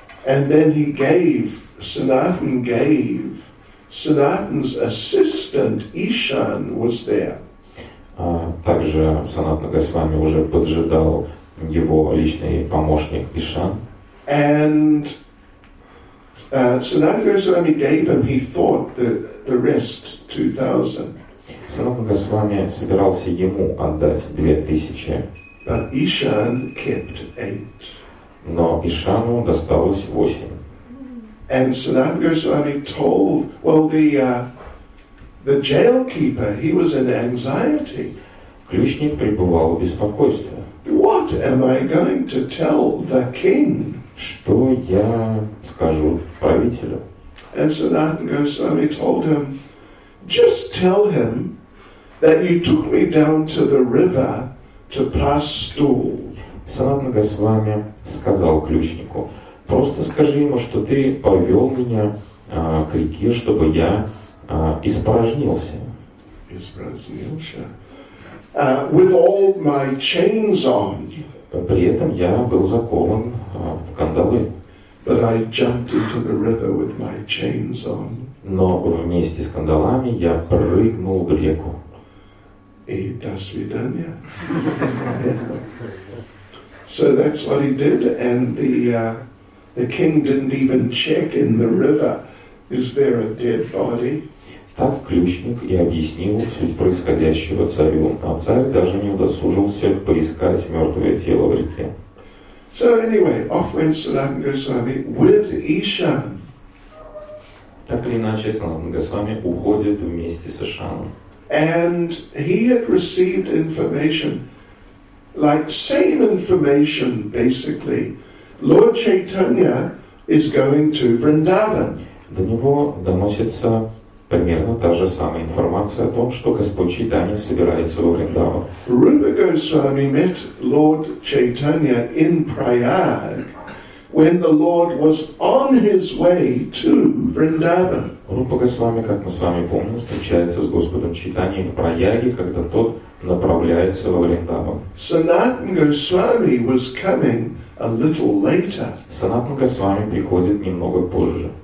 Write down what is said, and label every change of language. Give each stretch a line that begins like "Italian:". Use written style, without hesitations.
English: And then he gave Sanatan's assistant Ishan was there.
Russian: Также Санатана Госвами уже поджидал его личный помощник Ишан.
English: And Sanatana Goswami gave him, he thought, the rest 2,000.
Russian: Sanatana Goswami собирался ему отдать 2,000.
English: But Ishan kept 8.
Russian: Но Ишану досталось 8.
English: And Sanatana Goswami told, well, the jailkeeper, he was in anxiety.
Russian: Ключник пребывал в беспокойстве.
English: What am I going to tell the king?
Russian: Что я скажу правителю?
English: And Sanatana Goswami told him, just tell him that you took me down to the river to pass stool.
Russian: Sanatana Goswami сказал ключнику, просто скажи ему, что ты повел меня к реке, чтобы я испражнился. Испражнился.
English: With all my chains on.
Russian: При этом я был закован в кандалы.
English: But I jumped into the river with my chains on.
Russian: Но вместе с кандалами я прыгнул в реку. И до свидания.
English: So that's what he did, and the king didn't even check in the river. Is there a dead body?
Russian: Так ключник и объяснил суть происходящего царю, а царь даже не удосужился поискать мертвое тело в реке.
English: So anyway, off went Sanatana Goswami with Ishan.
Russian: Так или иначе, Sanatana Goswami уходит вместе с Ишаном.
English: And he had received information, like same information, basically. Lord Chaitanya is going to Vrindavan.
Russian: До него доносится примерно та же самая информация о том, что Господь Чайтанья собирается во Вриндаван.
English: Rupa Goswami met Lord Chaitanya in Prayag when the Lord was on his way to Vrindavan.
Russian: Рупа Госвами, как мы с вами помним, встречается с Господом Чайтаньей в Праяге, когда тот направляется во Вриндаван.
English: Санатан Госвами was coming a little later.
Russian: Санатан Госвами приходит немного позже.